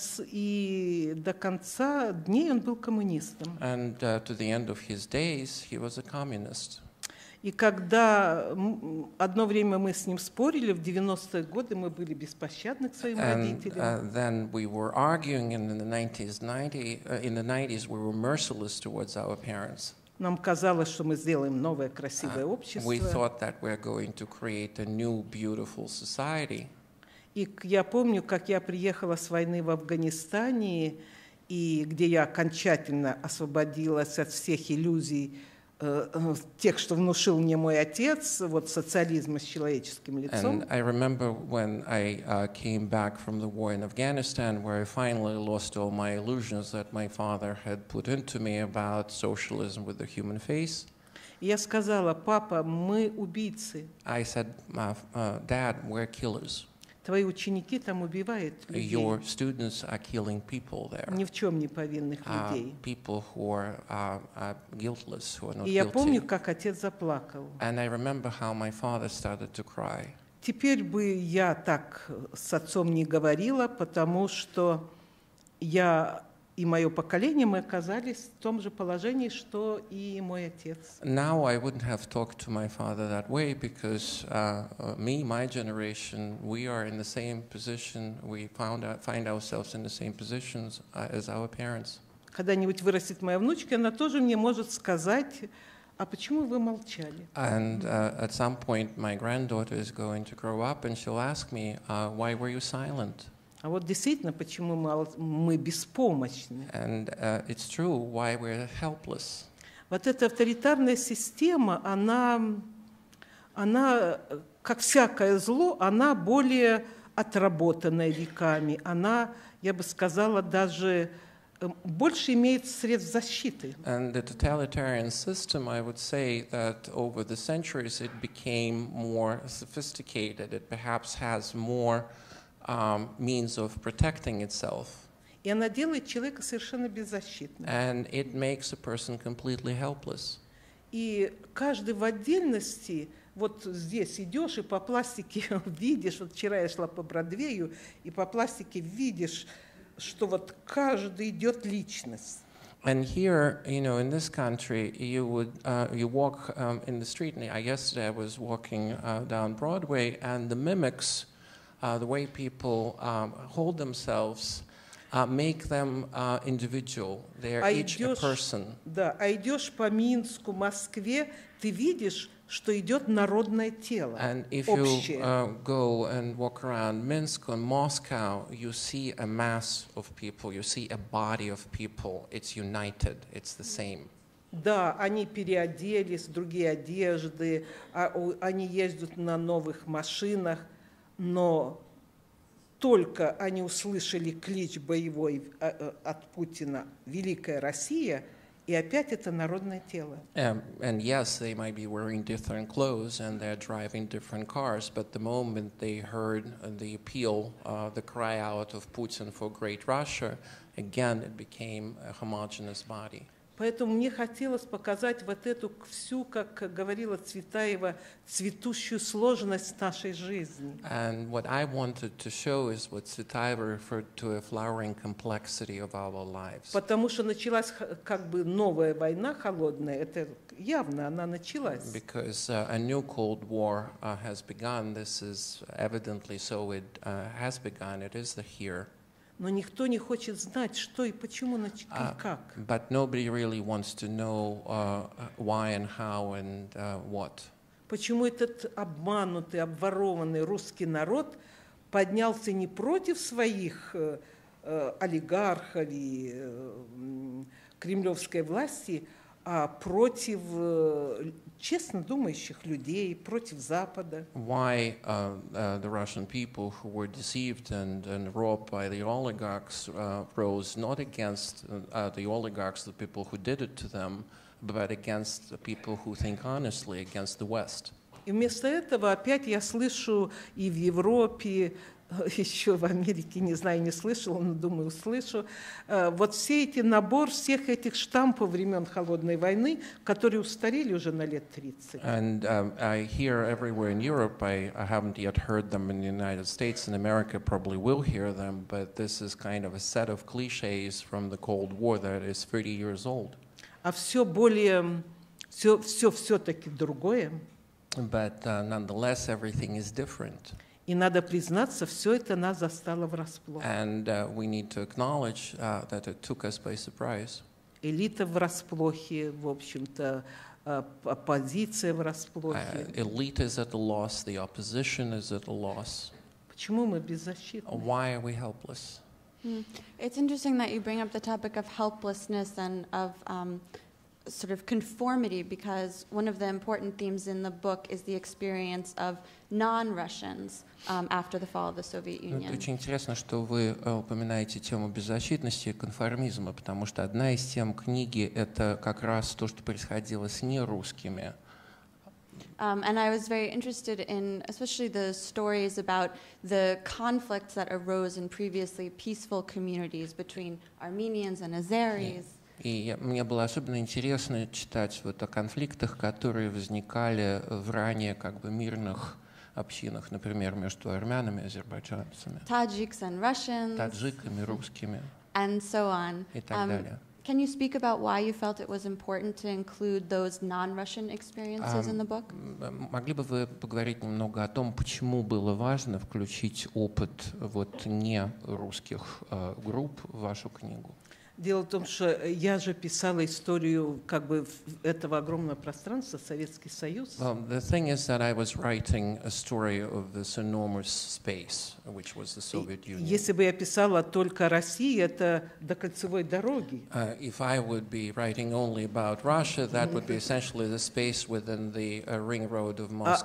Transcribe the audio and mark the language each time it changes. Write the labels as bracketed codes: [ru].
[ru] И до конца дней он был коммунистом. [en] And to the end of his days, he was a communist. [ru] И когда одно время мы с ним спорили, в 90-е годы мы были беспощадны к своим [en] and, [ru] родителям. [en] Then we were arguing and in the 90s we were merciless towards our parents. [ru] Нам казалось, что мы сделаем новое красивое общество. [en] We thought that we're going to create a new beautiful society. [ru] И я помню, как я приехала с войны в Афганистане, и где я окончательно освободилась от всех иллюзий, тех, что внушил мне мой отец, вот социализма с человеческим лицом. [en] And I remember when I came back from the war in Afghanistan, where I finally lost all my illusions that my father had put into me about socialism with a human face. [ru] Я сказала, папа, мы убийцы. [en] I said, Dad, we're killers. [ru] Твои ученики там убивают людей. [en] Your students are killing people there. [ru] Ни в чем не повинных людей. [en] People who are guiltless, who are not [ru] И я помню, как отец заплакал. [en] And I remember how my father started to cry. [ru] Теперь бы я так с отцом не говорила, потому что я и мое поколение, мы оказались в том же положении, что и мой отец. [en] Now I wouldn't have talked to my father that way because me, my generation, we are in the same position, we find ourselves in the same positions as our parents. [ru] Когда-нибудь вырастет моя внучка, она тоже мне может сказать, а почему вы молчали? [en] And at some point my granddaughter is going to grow up and she'll ask me, why were you silent? [ru] А вот действительно, почему мы беспомощны? [en] And it's true why we're helpless. [ru] Вот эта авторитарная система, она, как всякое зло, она более отработанная веками. Она, я бы сказала, даже больше имеет средств защиты. [en] And the totalitarian system, I would say that over the centuries it became more sophisticated. It perhaps has more means of protecting itself. [ru] И она делает человека совершенно беззащитным. [en] And it makes a person completely helpless. [ru] И каждый в отдельности, вот здесь идешь и по пластике видишь, вот вчера я шла по Бродвею, и по пластике видишь, что вот каждый идет личность. [en] And here, you know, in this country, you would you walk in the street, and yesterday I was walking down Broadway, and the mimics, the way people hold themselves, make them individual. They are each a person. [ru] Да, а идешь по Минску, Москве, ты видишь, что идет народное тело. [en] And if you go and walk around Minsk or Moscow, you see a mass of people, you see a body of people. It's united, it's the same. [ru] Да, они переоделись, другие одежды, они ездят на новых машинах. Но только они услышали клич боевой от Путина «Великая Россия», и опять это народное тело. [en] And yes, they might be wearing different clothes and they're driving different cars, but the moment they heard the appeal, the cry out of Putin for Great Russia, again it became a homogeneous body. [ru] Поэтому мне хотелось показать вот эту всю, как говорила Цветаева, цветущую сложность нашей жизни. [en] And what I wanted to show is what Tsvetaeva referred to, a flowering complexity of our lives. [ru] Потому что началась как бы новая война холодная, это явно, она началась. [en] Because a new Cold War has begun, this is evidently so, it has begun, it is the here. [ru] Но никто не хочет знать, что и почему, и как. [en] But nobody really wants to know why and how and what. [ru] Почему этот обманутый, обворованный русский народ поднялся не против своих олигархов и кремлевской власти, а против честно думающих людей, против Запада. [en] Why the Russian people who were deceived and robbed by the oligarchs rose not against the oligarchs, the people who did it to them, but against the people who think honestly, against the West. [ru] И вместо этого опять я слышу и в Европе, еще в Америке, не знаю, не слышала, но думаю, услышу. Вот все эти набор всех этих штампов времен холодной войны, которые устарели уже на лет 30. [en] And I hear everywhere in Europe, I haven't yet heard them in the United States, and America probably will hear them, but this is kind of a set of cliches from the Cold War that is 30 years old. [ru] А все более, все все-таки другое. [en] But nonetheless, everything is different. [ru] И надо признаться, все это нас застало врасплох. [en] And we need to acknowledge that it took us by surprise. [ru] Элита врасплохе, в общем-то, оппозиция врасплохе. [en] Elite is at a loss, the opposition is at a loss. [ru] Почему мы беззащитны? [en] Why are we helpless? It's interesting that you bring up the topic of helplessness and of sort of conformity, because one of the important themes in the book is the experience of non-Russians after the fall of the Soviet Union. [ru] Это очень интересно, что вы упоминаете тему беззащитности и конформизма, потому что одна из тем книги — это как раз то, что происходило с нерусскими. [en] And I was very interested in especially the stories about the conflicts that arose in previously peaceful communities between Armenians and Azeris. [ru] И мне было особенно интересно читать вот о конфликтах, которые возникали в ранее как бы мирных общинах, например, между армянами и азербайджанцами, [en] Tajiks and Russians, [ru] таджиками, русскими. [en] and so on. [ru] И так далее. [en] Can you speak about why you felt it was important to include those non-Russian experiences in the book? [ru] Могли бы вы поговорить немного о том, почему было важно включить опыт вот не русских групп в вашу книгу? Дело в том, что я же писала историю как бы этого огромного пространства Советский Союз. [en] Well, the thing is that I was writing a story of this enormous space, which was the Soviet Union. [ru] Если бы я писала только о России, это до кольцевой дороги. [en] If I would be writing only about Russia, that would be essentially the space within the ring road of Moscow.